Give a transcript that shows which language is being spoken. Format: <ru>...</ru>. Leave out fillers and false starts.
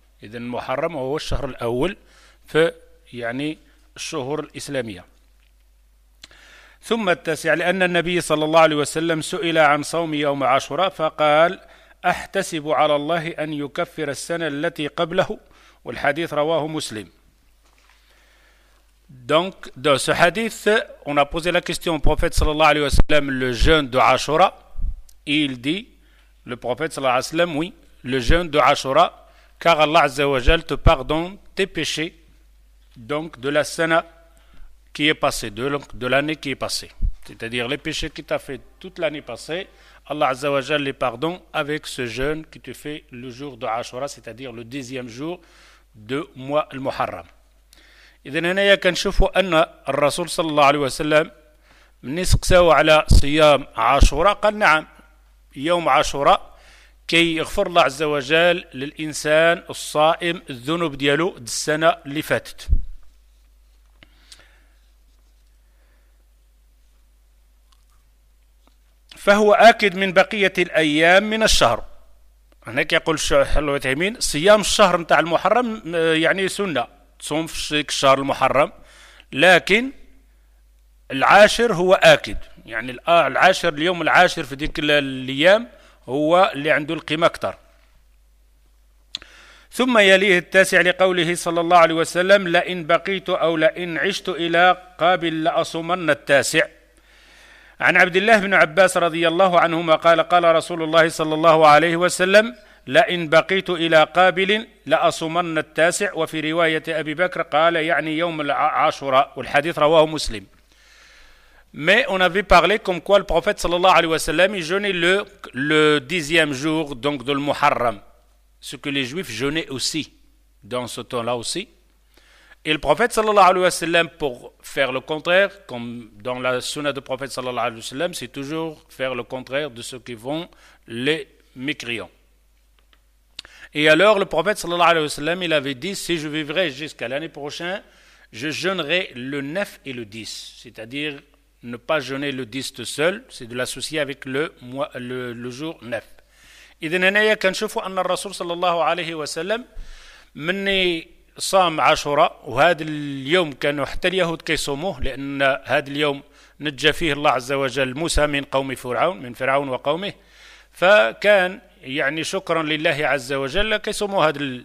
<ar>إذا المحرم هو الشهر الأول في يعني الشهور الإسلامية. ثم التاسع، لأن النبي صلى الله عليه وسلم سئل عن صوم يوم عاشوراء فقال أحتسب على الله أن يكفر السنة التي قبله، والحديث رواه مسلم.</ar> <fr>Donc dans ce hadith, on a posé la question au prophète sallallahu alayhi wa sallam, le jeûne de Ashura. Il dit, le prophète sallallahu alayhi wa sallam, oui, le jeûne de Ashura, car Allah azza wa jal te pardonne tes péchés, donc de la sana qui est passée, de l'année qui est passée. C'est-à-dire les péchés que tu as fait toute l'année passée, Allah Azza wa Jal les pardonne avec ce jeûne que tu fais le jour de Ashura, c'est-à-dire le dixième jour de mois al-Muharram. Et donc, il y a un chiffre que le Rasul sallallahu alayhi wa sallam nous a dit que le siyam Ashura, il dit que le jour Ashura, qui est Allah Azza wa Jal pour l'insan, le saïm, le zunub de l'année qui est</fr> <ar>فهو آكد من بقية الأيام من الشهر. هناك يقول الشيخ العثيمين صيام الشهر نتاع المحرم يعني سنة تصوم في الشهر المحرم، لكن العاشر هو آكد، يعني العاشر اليوم العاشر في ذيك الأيام هو اللي عنده القيمة أكثر. ثم يليه التاسع لقوله صلى الله عليه وسلم لئن بقيت أو لئن عشت إلى قابل لأصومن التاسع. عن عبد الله بن عباس رضي الله عنهما قال قال رسول الله صلى الله عليه وسلم لئن بقيت إلى قابل لأصومن التاسع، وفي رواية أبي بكر قال يعني يوم العاشوراء، والحديث رواه مسلم.</ar> <fr>Mais on avait parlé comme quoi le prophète صلى الله عليه وسلم jeûnait le dixième jour donc de Muharram, ce que les juifs jeûnaient aussi dans ce temps-là aussi. Et le prophète sallallahu alayhi wa sallam, pour faire le contraire, comme dans la sunna du prophète sallallahu alayhi wa sallam, c'est toujours faire le contraire de ce qui vont les mécréants. Et alors le prophète sallallahu alayhi wa sallam, il avait dit, si je vivrai jusqu'à l'année prochaine, je jeûnerai le 9 et le 10, c'est-à-dire ne pas jeûner le 10 tout seul, c'est de l'associer avec le jour 9.</fr> <ar>إذن هنا كنشوفوا أن الرسول صلى الله عليه وسلم مني صام عاشوراء، وهذا اليوم كانوا حتى اليهود كيصوموه، لأن هذا اليوم نجى فيه الله عز وجل موسى من قوم فرعون، من فرعون وقومه، فكان يعني شكرا لله عز وجل كيصوموا هذا.</ar>